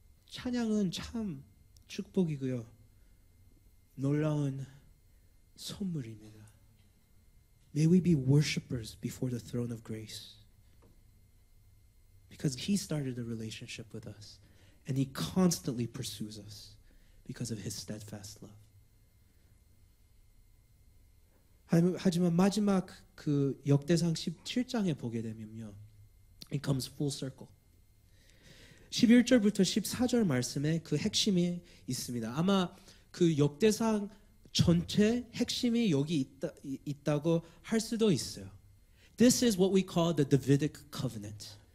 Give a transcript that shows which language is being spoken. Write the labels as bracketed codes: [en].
[ko] 찬양은 참 축복이고요. 놀라운 선물입니다. [en] May we be worshipers before the throne of grace. Because He started a relationship with us. And He constantly pursues us because of His steadfast love. [ko] 하지만 마지막 그 역대상 17장에 보게 되면요. [en] It comes full circle. [ko] 11절부터 14절 말씀에 그 핵심이 있습니다. 아마 그 역대상 전체 핵심이 여기 있다고 할 수도 있어요. [en] This is what we call the Davidic covenant.